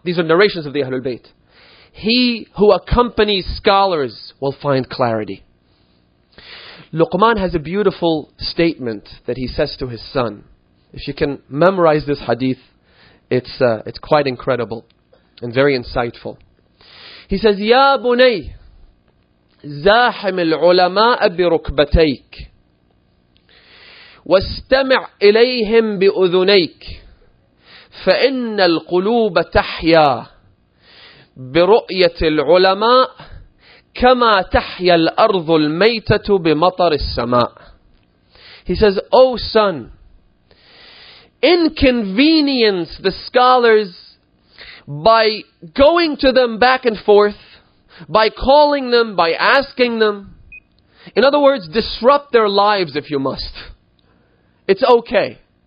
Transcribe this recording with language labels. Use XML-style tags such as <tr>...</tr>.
<en>These are narrations of the Ahlul Bayt. He who accompanies scholars will find clarity. Luqman has a beautiful statement that he says to his son. If you can memorize this hadith, it's quite incredible and very insightful. He says,</en> <ar>يَا بُنَيْ زَاحِمِ الْعُلَمَاءَ بِرُكْبَتَيْكِ واستمع إليهم بأذنيك فإن القلوب تحيا برؤية العلماء كما تحيا الأرض الميتة بمطر السماء.</ar> <en>He says, O son, inconvenience the scholars by going to them back and forth, by calling them, by asking them. In other words, disrupt their lives if you must. It's okay.</en>